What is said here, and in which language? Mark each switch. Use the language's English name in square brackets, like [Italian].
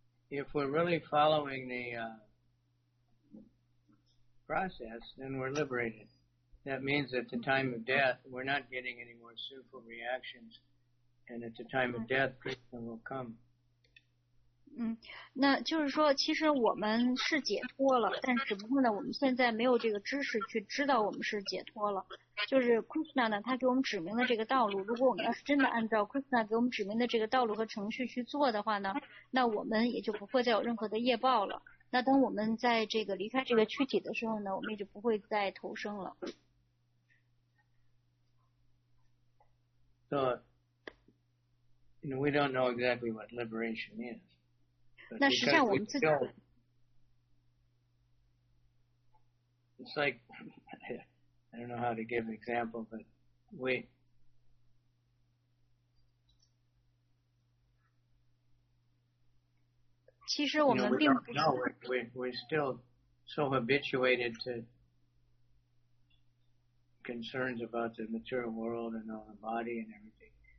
[English] If we're really following the process, then we're liberated. That means at the time of death, we're not getting any more sinful reactions. And at the time of death, Krishna will come. [Chinese] 那就是说其实我们是解脱了，但只不过呢，我们现在没有这个知识去知道我们是解脱了。就是 Krishna呢，他给我们指明了这个道路。如果我们要是真的按照Krishna给我们指明的这个道路和程序去做的话呢，那我们也就不会再有任何的业报了。那当我们在这个离开这个躯体的时候呢，我们也就不会再投生了。 [English] So, you know, we don't know exactly what liberation is. [Chinese] 那实际上我们自己。 [English] It's like, I don't know how to give an example, but we're still so habituated to concerns about the material world and all the body and everything.